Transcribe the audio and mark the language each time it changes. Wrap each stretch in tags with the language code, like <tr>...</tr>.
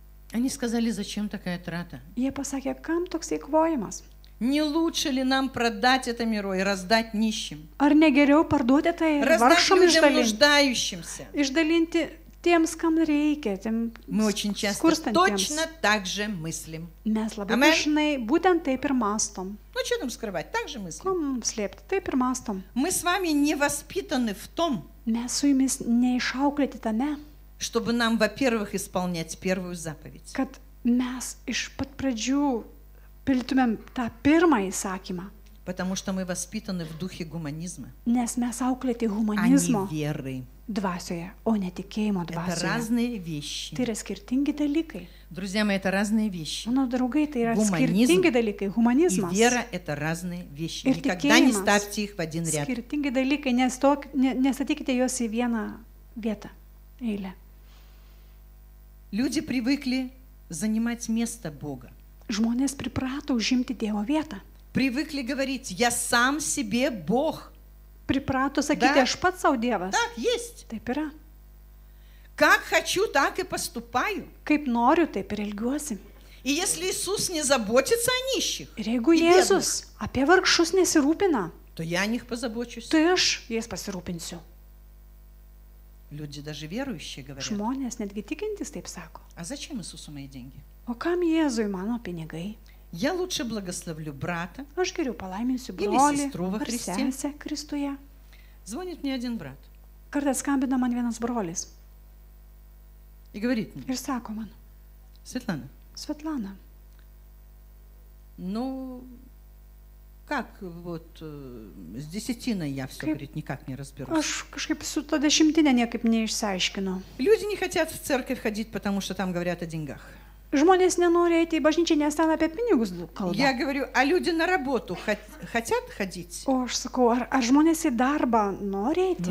<ru>Они сказали, зачем такая трата?</ru> <lt>Jie pasakė, kam toks eikvojimas?</lt> <ru>Не лучше ли нам продать это миро и раздать нищим?</ru> <lt>Ar ne geriau parduoti tai vargšam</lt> <ru>нуждающимся?</ru> <lt>Išdalinti tiems, kam reikia,</lt> <ru>тем мы очень часто точно так же мыслим.</ru> <lt>Mes labai dažnai būtent taip ir mąstom.</lt> <ru>Ну что там скрывать, так же мыслим.</ru> <lt>Kom slėpti, taip ir mąstom.</lt> <ru>Мы с вами не воспитаны в том,</ru> <lt>mes su jumis neišauklėti tame,</lt> <ru>чтобы нам, во-первых, исполнять первую заповедь.</ru> <lt>Kad mes iš pat pradžių pildytumėm tą pirmąjį įsakymą.</lt> <ru>Потому что мы воспитаны в духе гуманизма.</ru> <lt>Nes mes auklėti humanizmo.</lt> <ru>А не веры.</ru> <lt>Dvasioje, o ne tikėjimo dvasioje.</lt> <ru>Это разные вещи.</ru> <lt>Tai yra skirtingi dalykai.</lt> <ru>Друзья мои, это разные вещи.</ru> <lt>Mano draugai, tai yra skirtingi dalykai. Humanizmas.</lt> <ru>И вера – это разные вещи.</ru> <lt>Ir</lt> <ru>никогда не ставьте их в один ряд.</ru> <lt>Skirtingi dalykai, nestatykite juos į vieną vietą. Eilė.</lt> <ru>Люди привыкли занимать место Бога.</ru> <lt>Žmonės priprato užimti Dievo vietą.</lt> <ru>Привыкли говорить: я сам себе Бог.</ru> <lt>Priprato sakyti: да? Aš pats sau Dievas.</lt> <ru>Так есть.</ru> <lt>Taip yra.</lt> <ru>Как хочу, так и поступаю.</ru> <lt>Kaip noriu, taip ir elgiuosi.</lt> <ru>И если Иисус не заботится о нищих,</ru> <lt>ir jeigu Jėzus apie vargšus nesirūpina,</lt> <ru>то я о них позабочусь.</ru> <lt>Tai aš jais pasirūpinsiu.</lt> <ru>Люди даже верующие говорят.</ru> <lt>Žmonės netgi tikintys taip sako.</lt> <ru>А зачем Иисусу мои деньги?</ru> <lt>O kam Jėzui mano pinigai?</lt> <ru>Я лучше благословлю брата.</ru> <lt>Aš geriau palaiminsiu brolį ar sesę Kristuje.</lt> <ru>Звонит мне один брат.</ru> <lt>Kartais skambina man vienas brolis.</lt> <ru>И говорит мне.</ru> <lt>Ir sako man.</lt> <ru>Светлана. Светлана. Ну, как вот с десятиной я все, говорит, никак не разберусь.</ru> <lt>Aš kažkaip su ta dešimtine niekaip neišsiaiškinu.</lt> <ru>Люди не хотят в церковь ходить, потому что там говорят о деньгах.</ru> <lt>Žmonės nenori eiti į bažnyčią, nes ten apie pinigus kalba.</lt> <ru>Я говорю, а люди на работу хотят ходить?</ru> <lt>O aš sakau, ar žmonės į darbą nori eiti?</lt>